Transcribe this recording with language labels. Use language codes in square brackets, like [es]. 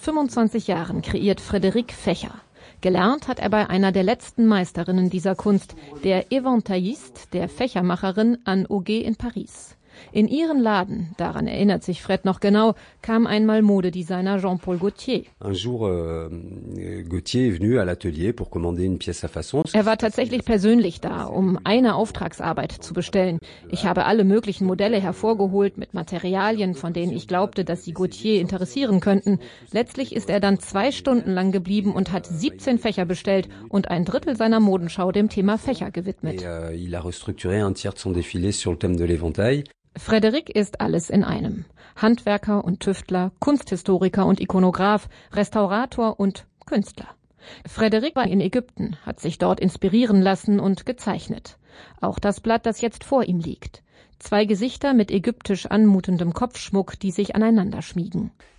[de] 25 Jahren kreiert Frédéric Fächer. Gelernt hat er bei einer der letzten Meisterinnen dieser Kunst, der Éventailliste, der Fächermacherin Anne Auger in Paris. In ihren Laden, daran erinnert sich Fred noch genau, kam einmal Modedesigner Jean-Paul Gaultier. [fr] Un jour, Gaultier est venu à l'atelier pour commander une pièce à façon. [de] Er war tatsächlich persönlich da, um eine Auftragsarbeit zu bestellen. Ich habe alle möglichen Modelle hervorgeholt mit Materialien, von denen ich glaubte, dass sie Gaultier interessieren könnten. Letztlich ist er dann 2 Stunden lang geblieben und hat 17 Fächer bestellt und ein Drittel seiner Modenschau dem Thema Fächer gewidmet. [fr] Il a restructuré un tiers de son défilé sur le thème de l'éventail. [de] Frédéric ist alles in einem. Handwerker und Tüftler, Kunsthistoriker und Ikonograf, Restaurator und Künstler. Frédéric war in Ägypten, hat sich dort inspirieren lassen und gezeichnet. Auch das Blatt, das jetzt vor ihm liegt. 2 Gesichter mit ägyptisch anmutendem Kopfschmuck, die sich aneinander schmiegen.